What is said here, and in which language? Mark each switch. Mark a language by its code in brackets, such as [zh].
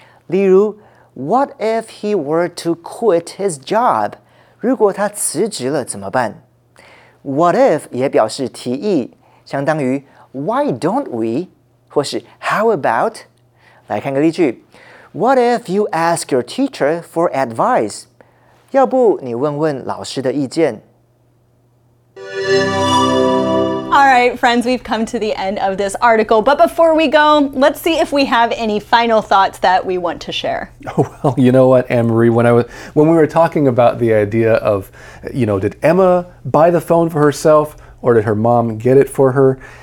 [en] 例如 What if he were to quit his job? [zh] 如果他辞职了怎么办？What if 也表示提议，相当于 [en] Why don't we? [zh] 或是 [en] How about? [zh] 来看个例句。 [en] What if you ask your teacher for advice? [zh] 要不你问问老师的意见。 [en] All right, friends, we've come to the end of this article. But before we go, let's see if we have any final thoughts that we want to share. Oh, well, you know what, Anne-Marie, when we were talking about the idea of, you know, did Emma buy the phone for herself or did her mom get it for her?